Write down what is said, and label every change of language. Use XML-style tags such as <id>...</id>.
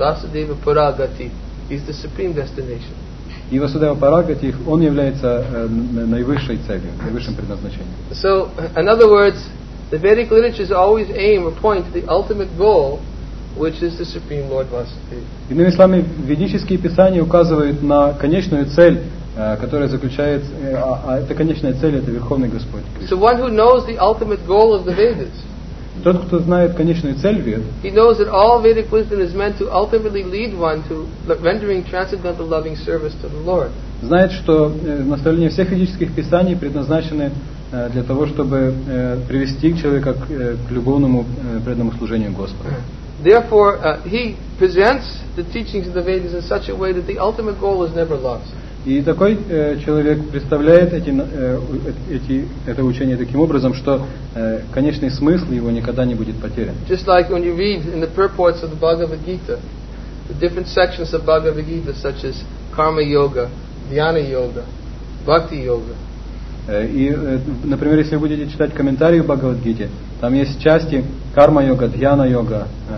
<en>Vasudeva para gati is the supreme destination.</en> <ru>И Vasudeva para gati, он является наивысшей целью, наивысшим предназначением.</ru> <en>So, in other words, the Vedic literatures always aim or point to the ultimate goal, which is the Supreme Lord Vasudeva.</en> <ru>Иными словами, ведические писания указывают на конечную цель, которая заключается, эта конечная цель — это Верховный Господь.</ru> <en>So one who knows the ultimate goal of the Vedas,</en> <ru>тот, кто знает конечную цель Вед,</ru> <en>he knows that all Vedic wisdom is meant to ultimately lead one to rendering transcendental loving service to the Lord.</en> <ru>Знает, что наставления всех ведических писаний предназначены для того, чтобы привести человека к любовному преданному служению Господу.</ru> <en>Therefore, he presents the teachings of the Vedas in such a way that the ultimate goal is never lost.</en> <ru>И такой человек представляет это учение таким образом, что конечный смысл его никогда не будет потерян.</ru> <en>Just like when you read in the purports of the Bhagavad Gita, the different sections of Bhagavad Gita, such as Karma Yoga, Dhyana Yoga, Bhakti Yoga.</en> <ru>И, например, если вы будете читать комментарии в Бхагавад-гите, там есть части карма-йога, дьяна-йога,</ru>